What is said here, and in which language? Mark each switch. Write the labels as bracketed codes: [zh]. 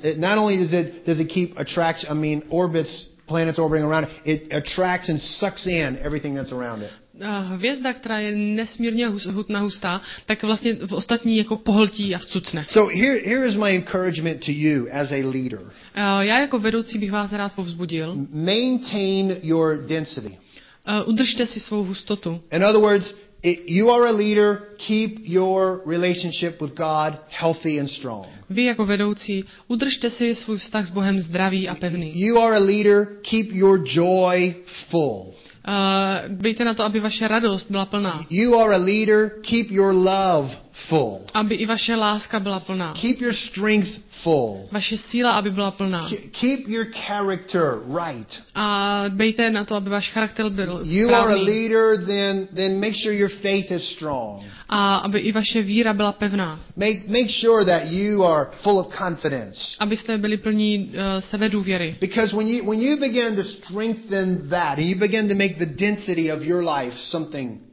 [en] It, not only does it keep attraction, I mean, orbits, planets orbiting around it, it attracts and sucks in everything that's around it. [cs] Hvězda, která je nesmírně hutná, hustá, tak vlastně v ostatní jako pohltí a vcucne. [en] So here is my encouragement to you as a leader. [cs] Já jako vedoucí bych vás rád povzbudil. [en] Maintain your density. [cs] Udržte si svou hustotu. [en] In other words, you are a leader, keep your relationship with God healthy and strong. [cs] Vy jako vedoucí, udržte si svůj vztah s Bohem zdravý a pevný. [en] You are a leader, keep your joy full. [cs] Bejte na to, aby vaše radost byla plná. [en] You are a leader, keep your love full. [cs] Aby i vaše láska byla plná. [en] Keep your strength full. [cs] Vaše síla, aby byla plná. [en] Keep your character right. [cs] A bejte na to, aby váš charakter byl správný. [en] You are a leader, then make sure your faith is strong. [cs] A aby i vaše víra byla pevná. [en] Make sure that you are full of confidence. [cs] Abyste byli plní sebedůvěry. [en] Because when you begin to strengthen that, and you begin to make the density of your life something.